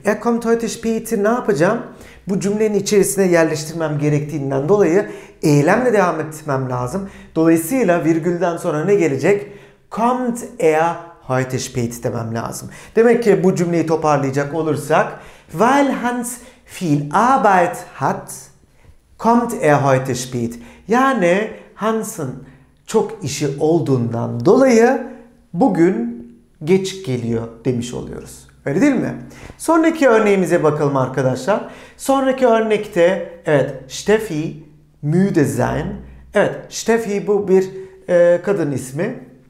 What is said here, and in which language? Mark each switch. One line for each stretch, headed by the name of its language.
German: Kommt heute spät'i
Turkish: ne yapacağım? Bu cümlenin içerisine yerleştirmem gerektiğinden dolayı eylemle devam etmem lazım. Dolayısıyla virgülden sonra ne gelecek?
German: Kommt heute spät
Turkish: demem lazım. Demek ki bu cümleyi toparlayacak olursak
German: weil Hans viel Arbeit hat kommt heute spät.
Turkish: Yani Hans'ın çok işi olduğundan dolayı bugün geç geliyor demiş oluyoruz. Öyle değil mi? Sonraki örneğimize bakalım arkadaşlar. Sonraki örnekte evet Steffi
German: müde sein.
Turkish: Evet Steffi bu bir kadın ismi.